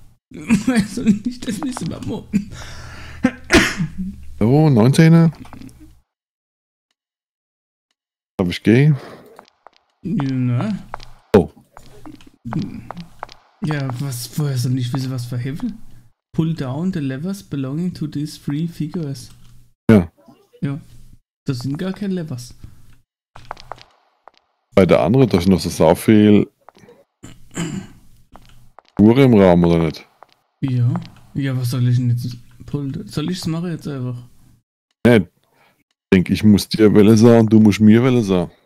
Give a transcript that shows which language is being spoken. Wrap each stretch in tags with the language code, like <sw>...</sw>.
<de>Weißt du nicht, das müssen wir machen. Oh, 19er. Darf ich gehen? Ja. Oh. Ja, was, woher soll ich wissen, was für Hebel?</de> <en>Pull down the levers belonging to these three figures.</en> <de>Ja. Ja. Das sind gar keine Levers. Bei der anderen, da ist noch so viel Uhr im Raum, oder nicht? Ja. Ja, was soll ich denn jetzt? Pull, soll ich es machen jetzt einfach? Nee. Ich denke, ich muss dir Welle sagen, du musst mir Welle sagen.</de>